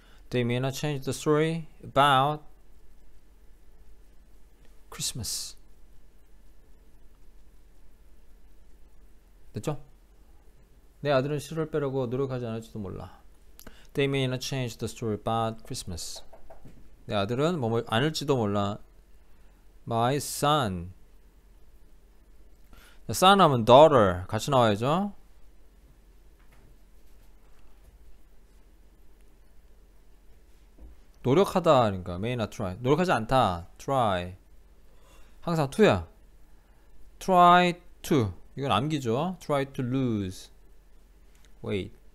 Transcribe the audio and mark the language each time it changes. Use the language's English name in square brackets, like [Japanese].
[English] They may not change the story about Christmas. [Korean] 됐죠? 내 아들은 시를 빼려고 노력하지 않을지도 몰라. [English] They may not change the story about Christmas. [Korean] 내 아들은 뭐뭐 안을지도 몰라. [English] My son. [Korean] Son 하면 daughter 같이 나와야죠. 노력하다 그러니까 [English] may not try [Korean] 노력하지 않다 [English] try [Korean] 항상 [English] to야 try to [Korean] 이건 암기죠 [English] try to lose weight